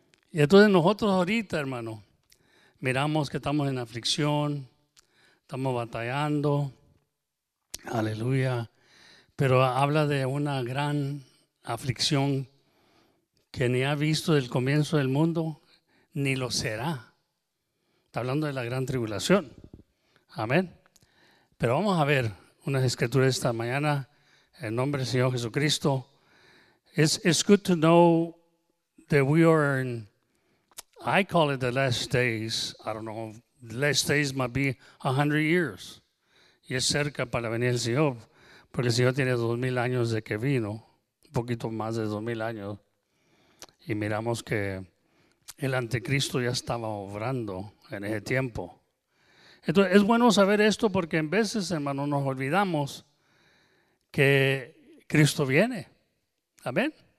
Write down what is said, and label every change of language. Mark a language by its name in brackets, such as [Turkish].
[Spanish] Y entonces nosotros ahorita, hermano, miramos que estamos en aflicción, estamos batallando, aleluya, pero habla de una gran aflicción que ni ha visto del comienzo del mundo, ni lo será. Está hablando de la gran tribulación. Amén. Pero vamos a ver unas escrituras esta mañana en nombre del Señor Jesucristo. [English] It's good to know that we are in, I call it the last days. I don't know, last days might be 100 years. [Spanish] Y es cerca para venir el Señor, porque el Señor tiene 2,000 años de que vino, un poquito más de 2,000 años. Y miramos que el anticristo ya estaba obrando en ese tiempo. Entonces, es bueno saber esto porque en veces, hermano, nos olvidamos que Cristo viene. Amén.